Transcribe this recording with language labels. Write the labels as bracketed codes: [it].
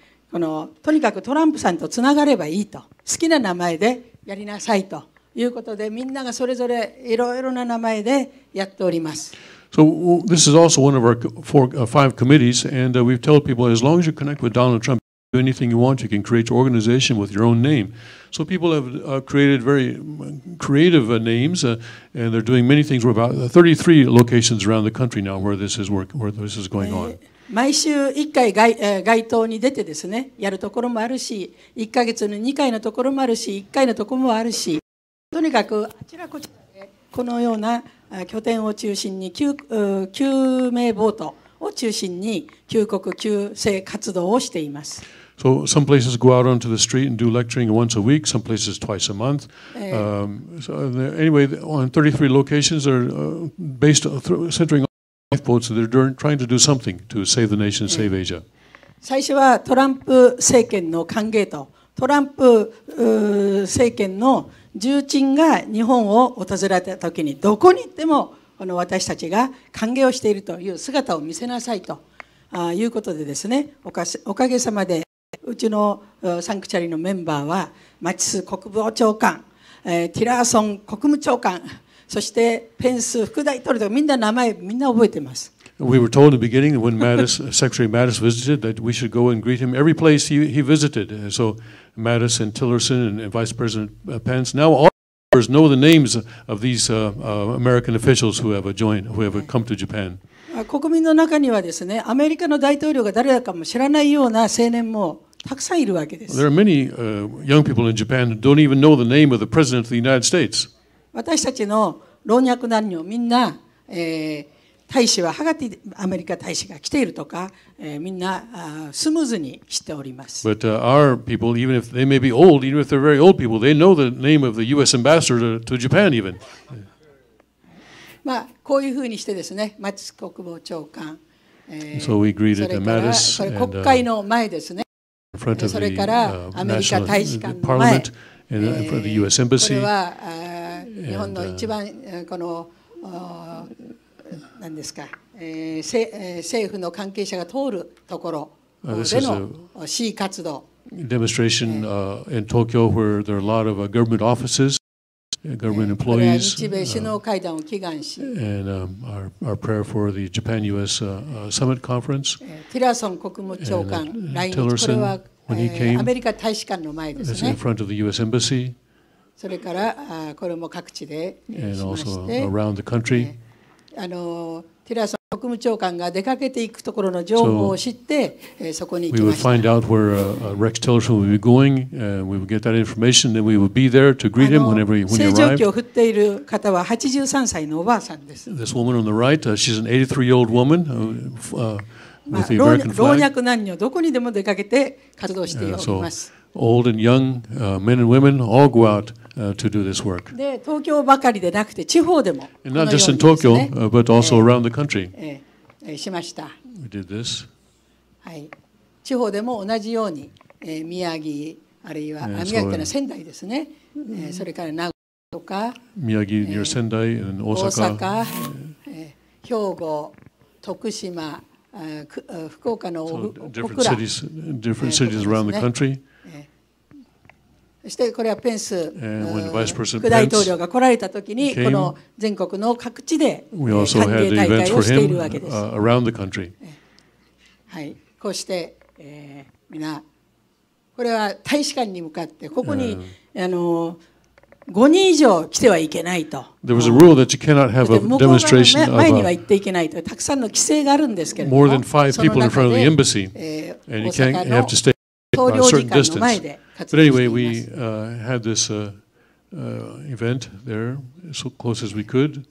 [ja] このとにかくトランプさんとつながればいいと、好きな名前でやりなさいということで、みんながそれぞれいろいろな名前でやっております。 [en] So this is also one of our five committees, and we've told people as long as you connect with Donald Trump, do anything you want, you can create your organization with your own name. So people have created very creative names, and they're doing many things. We're about 33 locations around the country now where this is work, where this is going on. [ja] 毎週1回街頭に出てですね、やるところもあるし、1ヶ月の2回のところもあるし、1回のところもあるし、とにかくあちらこちらでこのような拠点を中心に救命ボートを中心に救国救世活動をしています。 [en] So some places go out onto the street and do lecturing once a week, some places twice a month. Anyway, on 33 locations are based centering on lifeboats, so they're trying to do something to save the nation, save Asia. [ja] 最初はトランプ政権の歓迎と、トランプ政権の重鎮が日本を訪れたときに、どこに行ってもこの私たちが歓迎をしているという姿を見せなさいということでですね、おかげさまでうちのサンクチャリのメンバーはマチス国防長官、ティラーソン国務長官、そしてペンス副大統領とか、みんな名前みんな覚えてます。 [en] We were told in the beginning when Mattis, Secretary Mattis visited that we should go and greet him every place he visited. So Mattis and Tillerson and Vice President Pence. Now all members know the names of these American officials who have joined, who have come to Japan. [ja] 国民の中にはですね、アメリカの大統領が誰だかも知らないような青年もたくさんいるわけです。 [en] There are many young people in Japan who don't even know the name of the President of the United States. [ja] 私たちの老若男女みんな、大使はハガティアメリカ大使が来ているとか、みんなスムーズにしております。 [en] But our people, even if they may be old, even if they're very old people, they know the name of the U.S. ambassador to Japan even. [ja] まあこういうふうにしてですね、マチス国防長官、 [en] So we greeted Mattis and [ja] 国会の前ですね。 [en] In front of [ja] それからアメリカ大使館の前、 [en] Parliament and in front of the U.S. embassy. [ja] これは日本の一番この。何ですか、政府の関係者が通るところでの示威活動。 [en] Demonstration in Tokyo where there are a lot of government offices, government employees. [ja] 日米首脳会談を祈願し。 [en] And our prayer for the Japan-U.S. Summit conference. [ja] ティラソン国務長官来日。これはアメリカ大使館の前ですね。 [en] This is in front of the U.S. embassy. [ja] それからこれも各地でしまして。 [en] And also around the country. [ja] ティラソン国務長官が出かけていくところの情報を知って、 [en] so, [ja] そこに行きました [en] We would find out where Rex Tillerson would be going, and we would get that information, then we would be there to greet him whenever he arrived. [ja] 正常期を振っている方は83歳のおばあさんです。 [en] This woman on the right, she's an 83-year-old woman, with the American flag. [ja] 老若男女, どこにでも出かけて活動しております。 [en] Old and young, men and women all go out to do this work. [ja] で、東京ばかりでなくて地方でも。 [en] And not just in Tokyo, but also around the country. [ja] しました。 [en] We did this. [ja] はい。地方でも同じように、宮城、あるいは、宮城というのは仙台ですね。それから名古屋とか、 [en] 宮城 near Sendai and Osaka. [ja] 大阪、兵庫、徳島、福岡の小倉。 [en] So different cities, different cities around the country. [ja] そしてこれはペンス副大統領が来られたときに、この全国の各地で歓迎大会をしているわけです。 [en] Around the country. [ja] はい、こうして、みんな、これは大使館に向かってここに、5人以上来てはいけないと。 [en] There was a rule that you cannot have a demonstration of. [ja] 前には行っていけないと。たくさんの規制があるんですけれども。 [en] More than five people in front of the embassy, and you can't have to stay a certain distance. But anyway, we had this event there as close as we could.